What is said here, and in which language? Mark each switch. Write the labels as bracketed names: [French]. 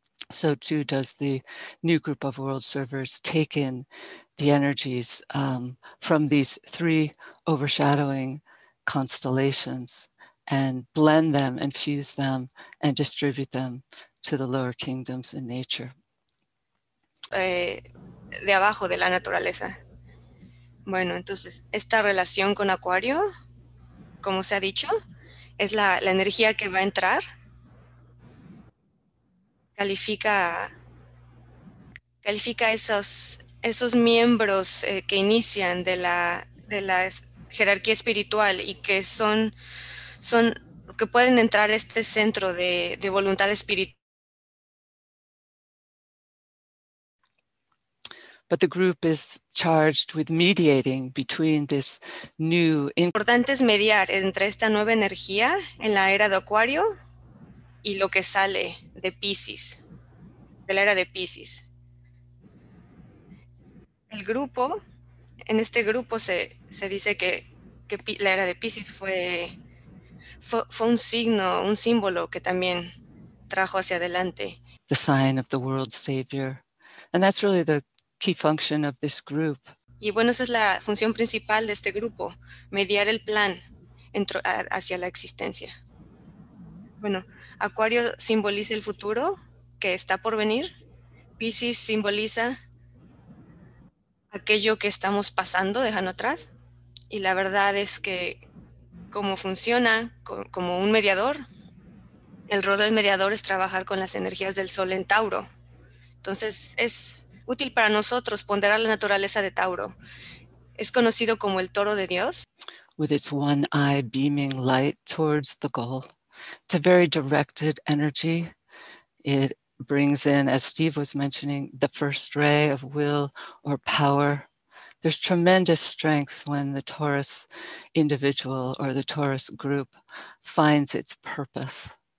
[English] So too does the new group of world servers take in the energies from these 3 overshadowing constellations and blend them and fuse them and distribute them to the lower kingdoms in nature. [Spanish] De abajo de la naturaleza. Bueno, entonces, esta relación con Acuario, como se ha dicho, es la energía que va a entrar. Califica esos miembros que inician de la jerarquía espiritual y que son que pueden entrar a este centro de voluntad espiritual. [English] But the group is charged with mediating between this new [Spanish] importante es mediar entre esta nueva energía en la era de Acuario y lo que sale de Piscis. De la era de Piscis. El grupo, en este grupo se dice que la era de Piscis fue un signo, un símbolo que también trajo hacia adelante. [English] The sign of the world savior. And that's really the key function of this group. [Spanish] Y bueno, esa es la función principal de este grupo, mediar el plan hacia la existencia. Bueno, Acuario simboliza el futuro, que está por venir. Piscis simboliza aquello que estamos pasando, dejando atrás. Y la verdad es que como funciona como un mediador, el rol del mediador es trabajar con las energías del sol en Tauro. Entonces es útil para nosotros ponderar la naturaleza de Tauro. Es conocido como el toro de Dios. [English] With its one eye beaming light towards the goal. It's a very directed energy. It brings in, as Steve was mentioning, the first ray of will or power. There's tremendous strength when the Taurus individual or the Taurus group finds its purpose.